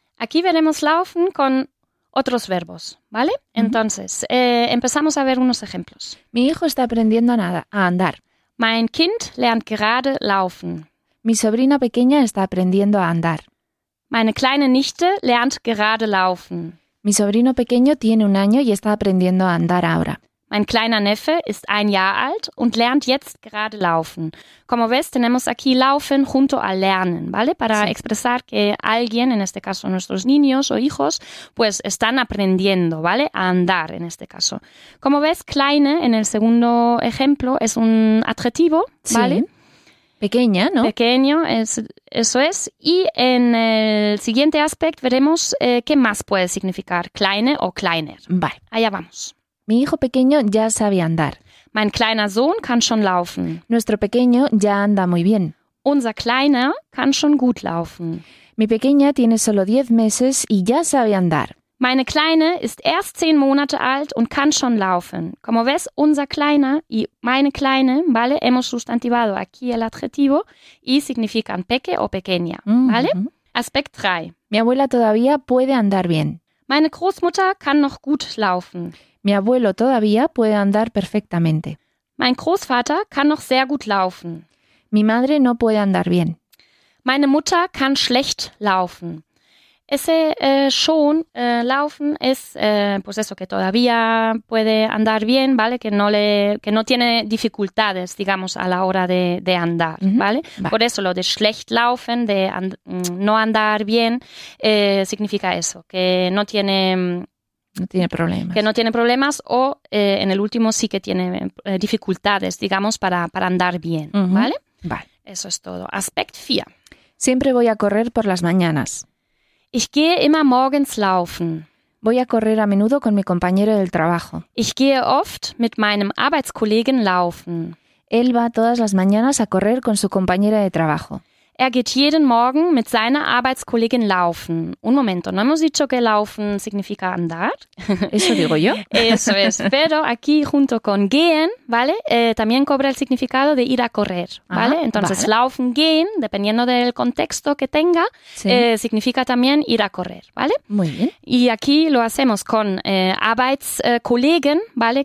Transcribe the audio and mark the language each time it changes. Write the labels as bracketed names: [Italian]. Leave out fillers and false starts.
[Spanish] Aquí veremos laufen con otros verbos, ¿vale? Uh-huh. Entonces, empezamos a ver unos ejemplos. Mi hijo está aprendiendo a andar. [German] Mein Kind lernt gerade laufen. [Spanish] Mi sobrina pequeña está aprendiendo a andar. [German] Meine kleine Nichte lernt gerade laufen. [Spanish] Mi sobrino pequeño tiene un año y está aprendiendo a andar ahora. [German] Mein kleiner Neffe ist ein Jahr alt und lernt jetzt gerade laufen. [Spanish] Como ves, tenemos aquí laufen junto a lernen, ¿vale? Para sí. expresar que alguien, en este caso nuestros niños o hijos, pues están aprendiendo, ¿vale? A andar, en este caso. Como ves, kleine, en el segundo ejemplo, es un adjetivo, ¿vale? Sí. Pequeña, ¿no? Pequeño, eso es. Y en el siguiente aspecto veremos qué más puede significar kleine o kleiner. Vale. Allá vamos. Mi hijo pequeño ya sabe andar. [German] Mein kleiner Sohn kann schon laufen. [Spanish] Nuestro pequeño ya anda muy bien. [German] Unser kleiner kann schon gut laufen. [Spanish] Mi pequeña tiene solo 10 meses y ya sabe andar. [German] Meine kleine ist erst 10 Monate alt und kann schon laufen. [Spanish] Como ves, unser kleiner y meine kleine, ¿vale? Hemos sustantivado aquí el adjetivo y significan peque o pequeña, ¿vale? Mm-hmm. Aspect 3. Mi abuela todavía puede andar bien. [German] Meine Großmutter kann noch gut laufen. [Spanish] Mi abuelo todavía puede andar perfectamente. [German] Mein Großvater kann noch sehr gut laufen. [Spanish] Mi madre no puede andar bien. [German] Meine Mutter kann schlecht laufen. [Spanish] Ese schon laufen es pues eso, que todavía puede andar bien, ¿vale? Que no tiene dificultades, digamos, a la hora de andar, uh-huh. ¿vale? Va. Por eso lo de schlecht laufen, de no andar bien, significa eso, que no tiene... No tiene problemas. Que no tiene problemas o en el último sí que tiene dificultades, digamos, para andar bien, uh-huh. ¿vale? Vale. Eso es todo. Aspect 4. Siempre voy a correr por las mañanas. [German] Ich gehe immer morgens laufen. [Spanish] Voy a correr a menudo con mi compañero del trabajo. [German] Ich gehe oft mit meinem Arbeitskollegen laufen. [Spanish] Él va todas las mañanas a correr con su compañera de trabajo. [German] Er geht jeden Morgen mit seiner Arbeitskollegin laufen. [Spanish] Un momento, no hemos dicho que laufen significa andar. Eso digo yo. Eso es. Pero aquí junto con gehen, ¿vale? También cobra el significado de ir a correr, ¿vale? Ajá, entonces, vale. Laufen, gehen, dependiendo del contexto que tenga, sí. Significa también ir a correr, ¿vale? Muy bien. Y aquí lo hacemos con Arbeitskollegen, ¿vale?